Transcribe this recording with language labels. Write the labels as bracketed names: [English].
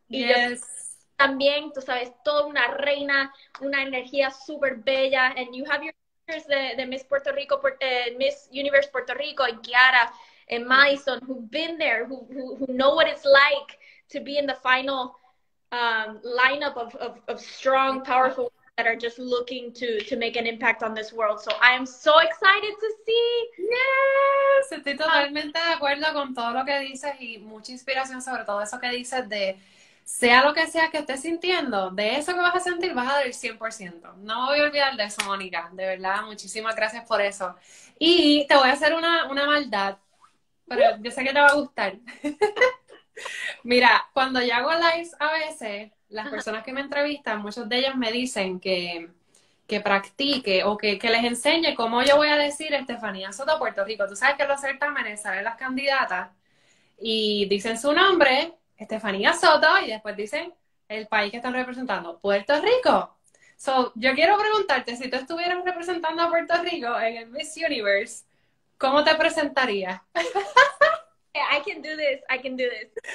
[Spanish] Y yo también, tú sabes, toda una reina, una energía súper bella, [English] and you have your sisters de Miss Puerto Rico, Miss Universe Puerto Rico, and Kiara, and Madison, who've been there, who know what it's like to be in the final lineup of strong, powerful that are just looking to make an impact on this world. So I am so excited to see. [Spanish] Estoy totalmente de acuerdo con todo lo que dices y mucha inspiración sobre todo eso que dices de sea lo que sea que estés sintiendo, de eso que vas a sentir vas a dar el 100%. No voy a olvidar de eso, Mónica. De verdad, muchísimas gracias por eso. Y te voy a hacer una maldad, pero yo sé que te va a gustar. Mira, cuando yo hago lives a veces, las personas que me entrevistan, muchos de ellos me dicen que practique o que les enseñe cómo yo voy a decir Estefanía Soto Puerto Rico. Tú sabes que los certámenes salen las candidatas y dicen su nombre, Estefanía Soto, y después dicen el país que están representando, Puerto Rico. So, yo quiero preguntarte, si tú estuvieras representando a Puerto Rico en el Miss Universe, ¿cómo te presentarías? [English] I can do this, I can do this.